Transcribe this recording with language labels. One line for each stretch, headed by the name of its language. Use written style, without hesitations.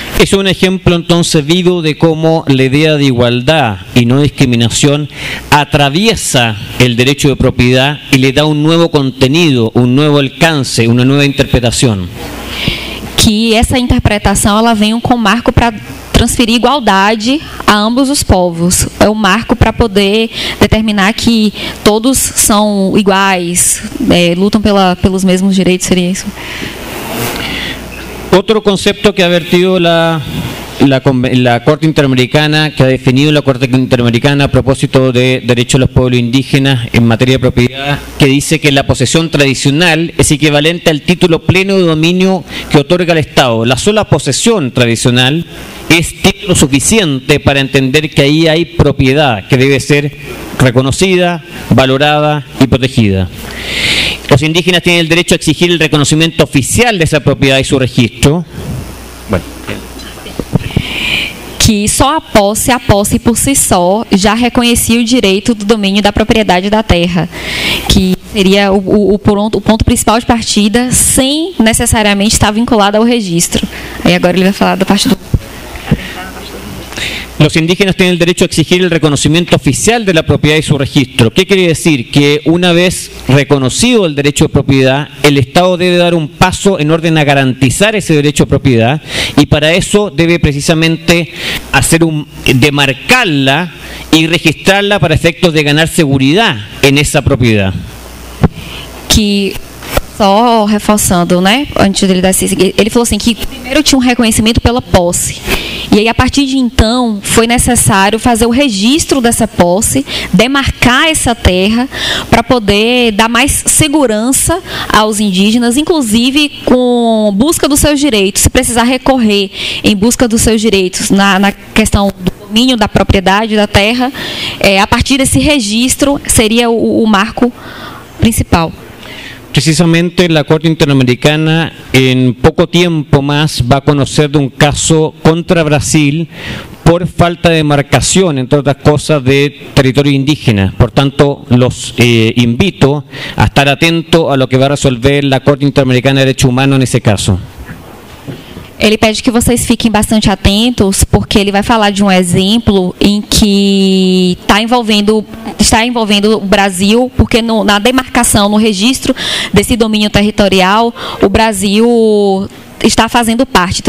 Portuguese: Esse é um exemplo então vivo de como a ideia de igualdade e não discriminação
Spanish: atraviesa el derecho de propiedad y le da un nuevo contenido, un nuevo alcance, una nueva interpretación. Que esa interpretación
Portuguese: ela vem com marco para transferir igualdade a ambos os povos. É o marco para poder determinar que todos são iguais, lutam pelos mesmos direitos, seria isso.
Spanish: Otro concepto que ha vertido la Corte Interamericana, que ha definido la Corte Interamericana a propósito de derechos de los pueblos indígenas en materia de propiedad, que dice que la posesión tradicional es equivalente al título pleno de dominio que otorga el Estado. La sola posesión tradicional es título suficiente para entender que ahí hay propiedad que debe ser reconocida, valorada y protegida. Los indígenas tienen el derecho a exigir el reconocimiento oficial de esa propiedad y su registro. Bueno,
Portuguese: que só a posse por si só, já reconhecia o direito do domínio da propriedade da terra. Que seria o ponto principal de partida, sem necessariamente estar vinculado ao registro. Aí agora ele vai falar da parte do...
Spanish: Los indígenas tienen el derecho a exigir el reconocimiento oficial de la propiedad y su registro. ¿Qué quiere decir? Que una vez reconocido el derecho de propiedad, el Estado debe dar un paso en orden a garantizar ese derecho de propiedad, y para eso debe precisamente hacer un demarcarla y registrarla para efectos de ganar seguridad en esa propiedad.
Portuguese: Que... Só reforçando, né? Antes dele dar esse... Ele falou assim, que primeiro tinha um reconhecimento pela posse. E aí, a partir de então, foi necessário fazer o registro dessa posse, demarcar essa terra, para poder dar mais segurança aos indígenas, inclusive com busca dos seus direitos. Se precisar recorrer em busca dos seus direitos na questão do domínio, da propriedade, da terra, a partir desse registro seria o marco principal.
Spanish: Precisamente la Corte Interamericana en poco tiempo más va a conocer de un caso contra Brasil por falta de demarcación, entre otras cosas, de territorio indígena. Por tanto, los invito a estar atento a lo que va a resolver la Corte Interamericana de Derechos Humanos en ese caso.
Portuguese: Ele pede que vocês fiquem bastante atentos, porque ele vai falar de um exemplo em que está envolvendo o Brasil, porque no, na demarcação, no registro desse domínio territorial, o Brasil está fazendo parte.